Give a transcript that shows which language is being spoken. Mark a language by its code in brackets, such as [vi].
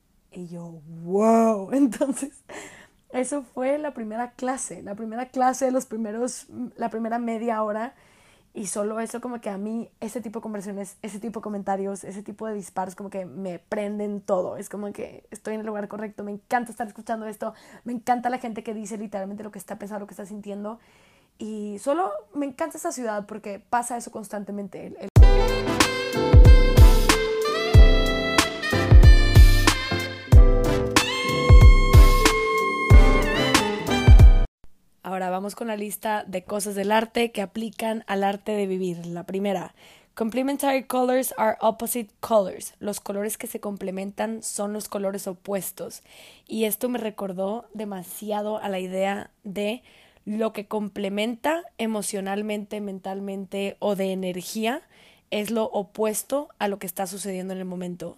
[es] Y yo, wow. Entonces, eso fue la primera clase de los primeros, la primera media hora, y solo eso como que a mí, ese tipo de conversaciones, ese tipo de comentarios, ese tipo de disparos como que me prenden todo, es como que estoy en el lugar correcto, me encanta estar escuchando esto, me encanta la gente que dice literalmente lo que está pensando, lo que está sintiendo, y solo me encanta esta ciudad porque pasa eso constantemente. Ahora vamos con la lista de cosas del arte que aplican al arte de vivir. La primera, [en] complementary colors are opposite colors. [es] Los colores que se complementan son los colores opuestos. Y esto me recordó demasiado a la idea de lo que complementa emocionalmente, mentalmente o de energía es lo opuesto a lo que está sucediendo en el momento.